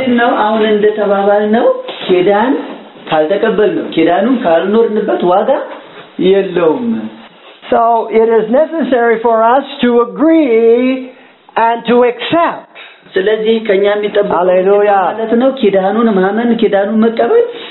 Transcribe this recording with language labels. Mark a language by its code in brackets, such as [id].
[am] እንደው አሁን እንደተባባልነው ኪዳን ካልተቀበልነው ኪዳኑን ካልኖርንበት ዋጋ የለውም. [en] So it is necessary for us to agree and to accept. [am] ስለዚህ ከኛም ይጠበቃል ማለት ነው ኪዳኑን ማመን ኪዳኑን መቀበል